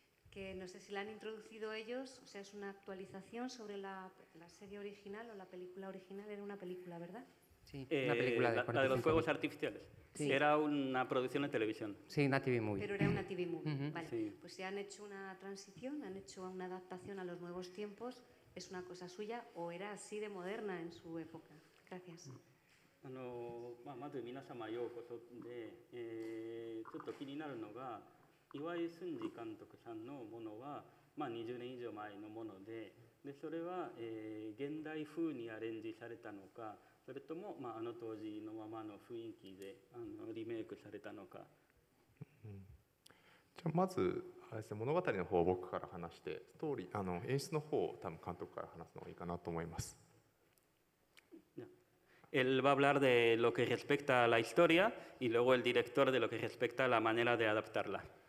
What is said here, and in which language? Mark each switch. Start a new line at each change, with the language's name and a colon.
Spanish: que no sé si la han introducido ellos, o sea, es una actualización sobre la serie original o la película original, era una película, ¿verdad? Sí, una película de 45. La de los fuegos artificiales, sí. Era una producción de televisión. Sí, una TV movie. Pero era una TV movie, vale. Sí. Pues si han hecho una transición, han hecho una adaptación a los nuevos tiempos, ¿es una cosa suya o era así de moderna en su época? Gracias.
Japanese: まず皆様ようこそで、ちょっと気になるのが、岩井俊二監督さんのものは、20年以上前のもの でそれは、現代風にアレンジされたのか、それとも、あの当時のままの雰囲気でリメイクされたのか。じゃあまずあれです、ね、物語の方を僕から話して、ストーリー演出の方を多分監督から話すのがいいかなと思います。
Spanish: Él va a hablar de lo que respecta a la historia y luego el director de lo que respecta a la manera de adaptarla。